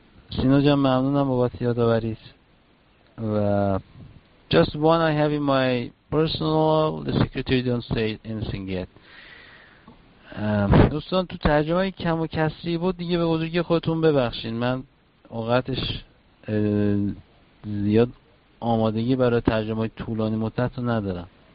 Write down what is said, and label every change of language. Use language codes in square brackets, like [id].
[fa] سینا جان ممنونم بابت یادآوری‌ت. و [en] just one I have in my personal, the secretary don't say anything yet. [fa] دوستان تو ترجمه کم و کسری بود دیگه به بزرگی خودتون ببخشین، من اوقاتش زیاد آمادگی برای ترجمه طولانی مدت رو ندارم.